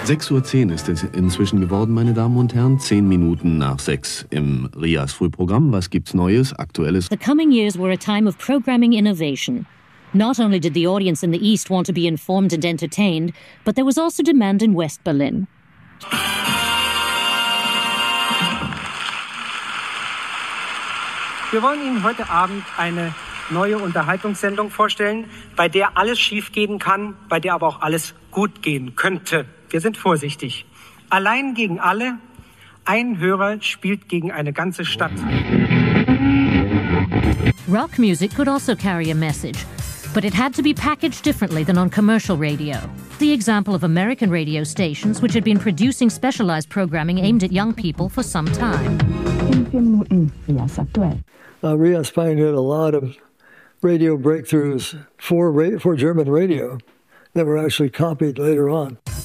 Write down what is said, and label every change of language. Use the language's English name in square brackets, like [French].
[German] Uhr ist es inzwischen geworden, meine Damen und Herren. 6:10 im RIAS Frühprogramm. Was gibt's Neues, Aktuelles? [English] The coming years were a time of programming innovation. Not only did the audience in the East want to be informed and entertained, but there was also demand in West Berlin. [German] Wir wollen Ihnen heute Abend eine neue Unterhaltungssendung vorstellen, bei der alles schiefgehen kann, bei der aber auch alles gut gehen könnte. Wir sind vorsichtig. Allein gegen alle, ein Hörer spielt gegen eine ganze Stadt. [English] Rock music could also carry a message, but it had to be packaged differently than on commercial radio. The example of American radio stations, which had been producing specialized programming aimed at young people for some time. Rias pioneered a lot of radio breakthroughs for German radio that were actually copied later on.